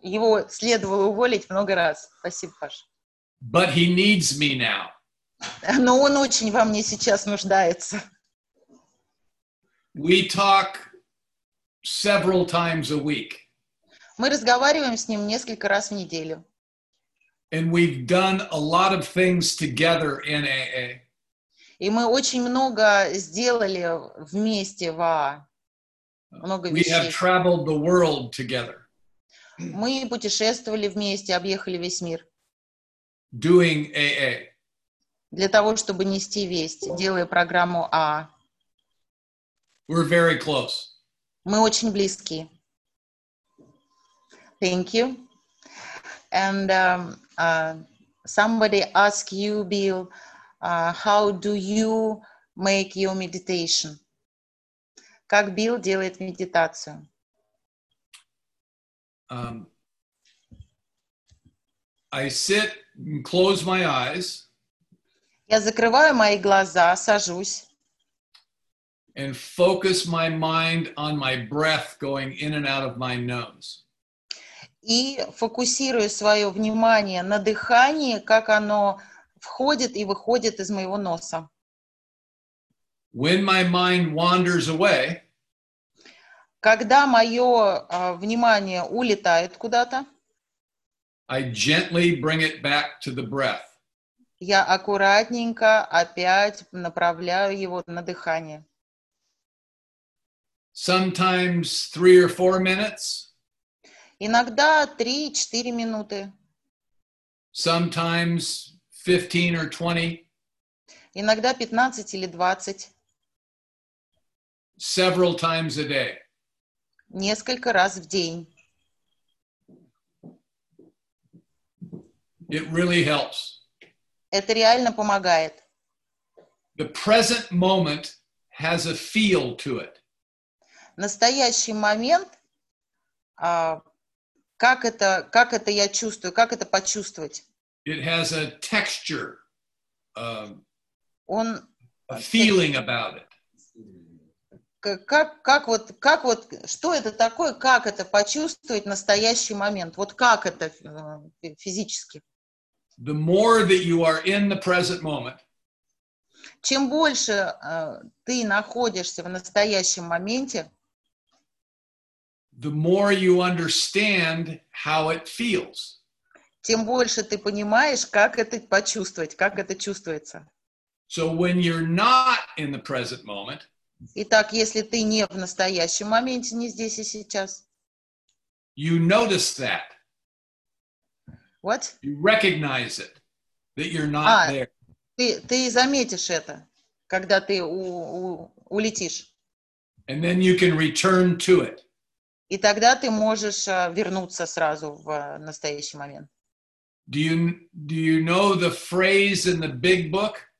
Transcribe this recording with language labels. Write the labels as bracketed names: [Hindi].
[Russian] Его следовало уволить много раз. Спасибо, Паш. [English] But he needs me now. [Russian] Но он очень во мне сейчас нуждается. [English] We talk several times a week. [Russian] Мы разговариваем с ним несколько раз в неделю. [English] And we've done a lot of things together in AA. [Russian] И мы очень много сделали вместе в АА. Много вещей. [English] We have traveled the world together. [Russian] Мы путешествовали вместе, объехали весь мир. [English] Doing AA. [Russian] Для того, чтобы нести весть, делая программу А. [English] We're very close. [Russian] Мы очень близки. [English] Thank you. And somebody asked you, Bill, how do you make your meditation? [Russian] Как Билл делает медитацию? [English] I sit and close my eyes. [Russian] Я закрываю мои глаза, сажусь. И фокусирую свое внимание на дыхании, как оно входит и выходит из моего носа. [English] When my mind wanders away, [Russian] когда мое внимание улетает куда-то, [English] I gently bring it back to the breath. [Russian] Я аккуратненько опять направляю его на дыхание. [English] Sometimes 3 or 4 minutes. [Russian] Иногда 3-4 минуты. [English] Sometimes 15 or 20. [Russian] Иногда 15 или 20. [English] Several times a day. [Russian] Несколько раз в день. [English] It really helps. [Russian] Это реально помогает. [English] The present moment has a feel to it. [Russian] Настоящий момент, как это я чувствую, как это почувствовать? [English] It has a texture. [Russian] Он [English] a feeling about it. [Russian] Как вот что это такое, как это почувствовать настоящий момент? Вот как это физически? [English] The more that you are in the present moment. [Russian] Чем больше ты находишься в настоящем моменте, [English] the more you understand how it feels. [Russian] Тем больше ты понимаешь, как это почувствовать, как это чувствуется. [English] So when you're not in the present moment, [Russian] итак, если ты не в настоящем моменте, не здесь и сейчас, [English] you notice that. What? You recognize it, that you're not there. [Russian] Ты заметишь это, когда ты улетишь. [English] And then you can return to it. [Russian] И тогда ты можешь вернуться сразу в настоящий момент. [English] Do you know the phrase in the big book?